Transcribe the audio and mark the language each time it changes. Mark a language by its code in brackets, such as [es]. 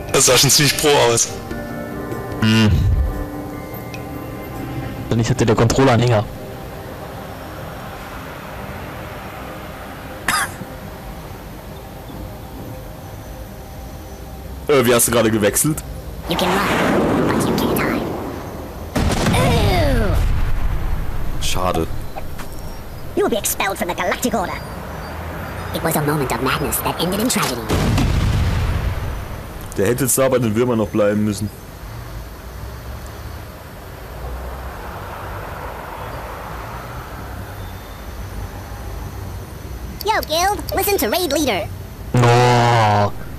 [de] Das sah schon ziemlich pro aus. Dann ich hatte der Controller-Anhänger. Wie hast du gerade gewechselt? [en] You can run, but you can't hide. Schade. You will be expelled from the Galactic Order. It was a moment of madness that ended in tragedy. [de] Der hätte jetzt da bei den Würmern noch bleiben müssen. [en] Yo, Guild, listen to Raid Leader. Oh.